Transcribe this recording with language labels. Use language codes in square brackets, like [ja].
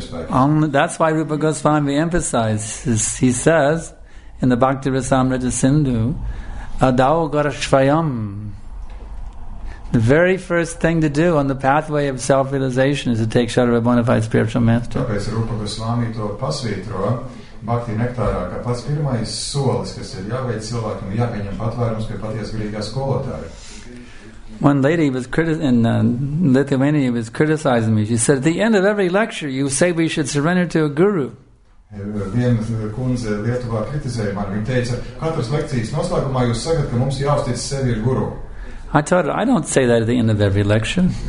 [en] Only, that's why Rupa Goswami emphasizes, he says in the Bhakti Rasamrita Sindhu, Adau Garashvayam. The very first thing to do on the pathway of self-realization is to take shelter of a bona fide spiritual master. [lv] Tāpēc Rūpa Goswāmī to pasvītro Bhakti Nektārā, ka pats pirmais solis, kas ir jāveic cilvēkam, jāpieņem patvērums pie paties garīgā skolotāja. [en] One lady was in Lithuania was criticizing me. She said, at the end of every lecture, you say we should surrender to a guru. [lv] Viena kundze Lietuvā kritizēja mani. Viņa teica, katras lekcijas noslēgumā jūs sakat, ka mums jāuztic sevi ir guru. [en] I told her, I don't say that at the end of every lecture.